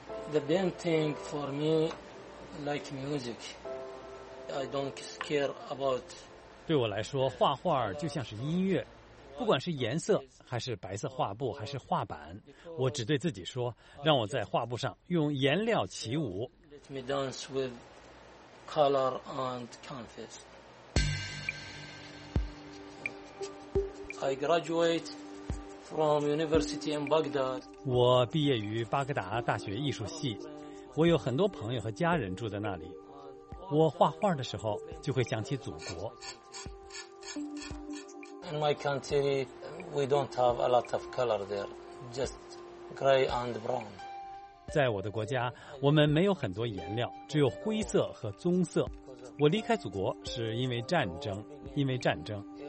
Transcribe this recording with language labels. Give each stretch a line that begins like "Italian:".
English: The painting for me like music. I don't care about.
Chinese: 对我来说，画画就像是音乐，不管是颜色，还是白色画布，还是画板，我只对自己说，让我在画布上用颜料起舞。
English: Let me dance with color and canvas. I graduate. From university in Baghdad.
Chinese: 我毕业于巴格达大学艺术系，我有很多朋友和家人住在那里。我画画的时候就会想起祖国。
English: In my country, we don't have a lot of color there, just gray and brown.
Chinese: 在我的国家，我们没有很多颜料，只有灰色和棕色。我离开祖国是因为战争，因为战争。